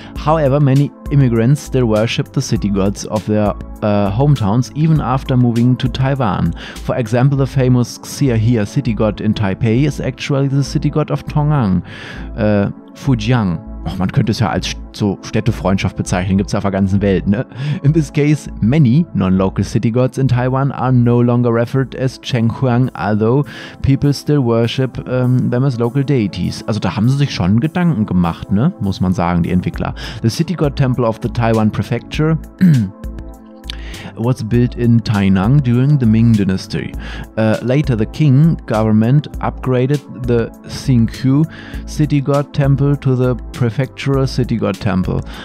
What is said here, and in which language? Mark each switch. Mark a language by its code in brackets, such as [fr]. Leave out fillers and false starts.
[en] However, many immigrants still worship the city gods of their hometowns even after moving to Taiwan. For example, the famous Xia Hia city god in Taipei is actually the city god of Tongang. Fujiang. [de] Och, man könnte es ja als so Städtefreundschaft bezeichnen, gibt es auf der ganzen Welt, ne? [en] In this case, many non-local city gods in Taiwan are no longer referred as Chenghuang, although people still worship them as local deities. [de] Also da haben sie sich schon Gedanken gemacht, ne? Muss man sagen, die Entwickler. [en] The city god temple of the Taiwan prefecture was built in Tainan during the Ming Dynasty. Later, the Qing government upgraded the Xingqiu city god temple to the prefectural city god temple.